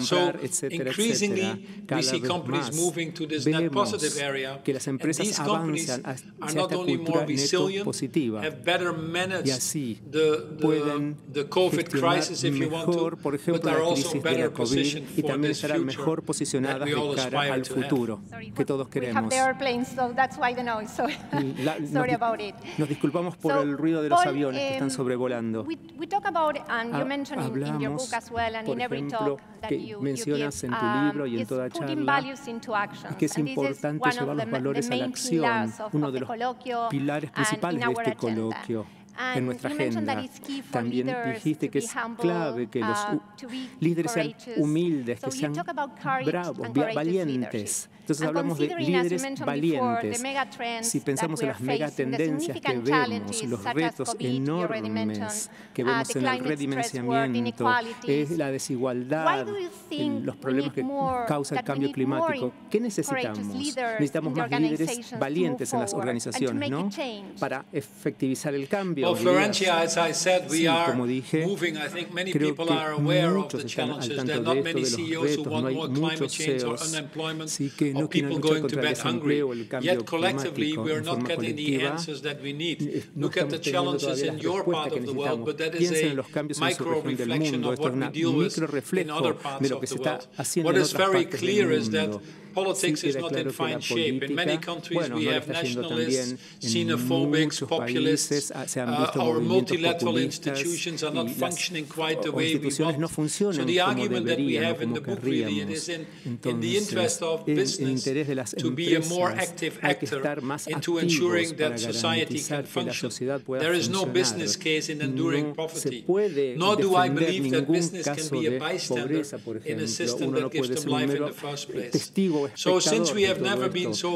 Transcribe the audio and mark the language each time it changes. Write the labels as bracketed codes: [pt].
[en] So increasingly we see companies moving to this net positive area, and these companies are not only more resilient, have better managed the COVID crisis if you want to, but are also better positioned for this future that we all aspire to have. Sorry, we have the airplanes, so that's why the noise. So sorry about it. Nos disculpamos por el ruido de los aviones que están sobrevolando. We talk about and you mentioned in your book as well and in every talk [es] que mencionas en tu libro y en toda charla, que es importante llevar los valores a la acción, uno de los pilares principales de este coloquio en nuestra agenda. También dijiste que es clave que los líderes sean humildes, que sean bravos, valientes. Entonces hablamos de líderes valientes. Si pensamos en las megatendencias que vemos, los retos enormes que vemos en el redimensionamiento, es la desigualdad, los problemas que causa el cambio climático. ¿Qué necesitamos? Necesitamos más líderes valientes en las organizaciones, ¿no? Para efectivizar el cambio. [en] Florencia, as I said, we are moving. I think many people are aware of the challenges. There are not many CEOs who want more climate change or unemployment or people going to bed hungry. Yet collectively, we are not getting the answers that we need. Look at the challenges in your part of the world, but that is a micro reflection of what we deal with in other parts of the world. What is very clear is that politics is not in fine shape. In many countries, we have nationalists, xenophobics, populists. Our multilateral institutions are not functioning quite the way we want. So the argument that we have in the book really is in the interest of business. [es] interés de las empresas. Hay que estar más activos para garantizar que la sociedad pueda funcionar. No se puede defender ningún caso de pobreza, por ejemplo. Uno no puede ser un mero testigo o espectador de todo esto.